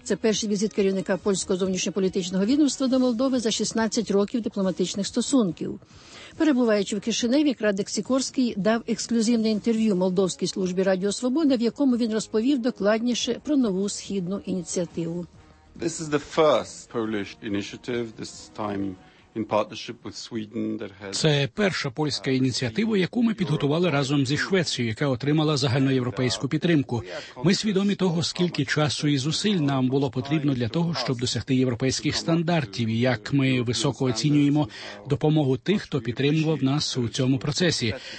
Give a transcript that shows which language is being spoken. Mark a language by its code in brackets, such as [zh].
[uk] Це перший візит керівника польського зовнішньополітичного відомства до Молдови за 16 років дипломатичних стосунків. Перебуваючи в Кишиневі, Крадик Сікорський дав ексклюзивне інтерв'ю Молдовській службі Радіо Свобода, в якому він розповів докладніше про нову Східну ініціативу. [en] This is the first Polish initiative, this time in partnership with Sweden that has... [uk] Це перша польська ініціатива, яку ми підготували разом зі Швецією, яка отримала загальноєвропейську підтримку. Ми свідомі того, скільки часу і зусиль нам було потрібно для того, щоб досягти європейських стандартів, і як ми високо оцінюємо допомогу тих, хто підтримував нас у цьому процесі.